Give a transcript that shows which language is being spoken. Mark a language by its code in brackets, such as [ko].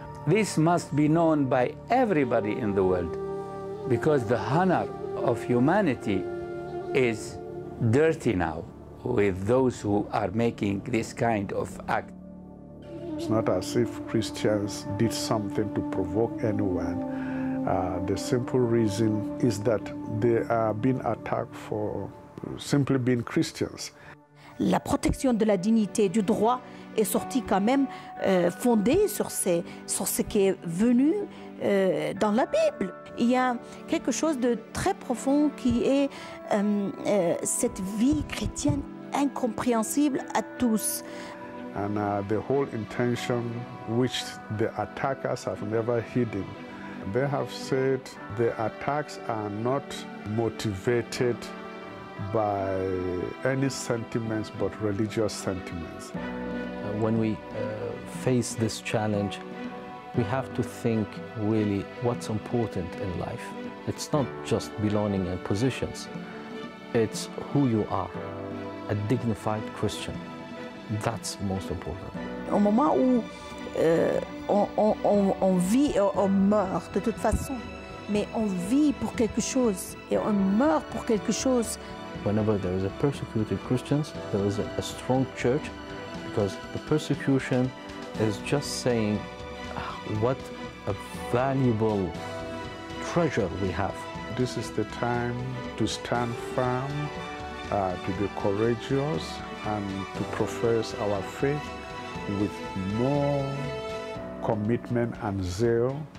[en] This must be known by everybody in the world, because the honor of humanity is dirty now with those who are making this kind of act. It's not as if Christians did something to provoke anyone. The simple reason is that they are being attacked for simply being Christians. [fr] La protection de la dignité du droit est sortie quand même fondée sur ce qui est venu dans la Bible. Il y a quelque chose de très profond qui est cette vie chrétienne incompréhensible à tous. [en] And the whole intention which the attackers have never hidden. They have said the attacks are not motivated by any sentiments but religious sentiments. When we face this challenge, we have to think really what's important in life. It's not just belonging and positions, it's who you are, a dignified Christian. That's most important. [fr] Au moment où on vit et on meurt de toute façon, mais on vit pour quelque chose et on meurt pour quelque chose. [en] Whenever there is a persecuted Christians, there is a strong church, because the persecution is just saying what a valuable treasure we have. This is the time to stand firm, to be courageous, and to profess our faith with more commitment and zeal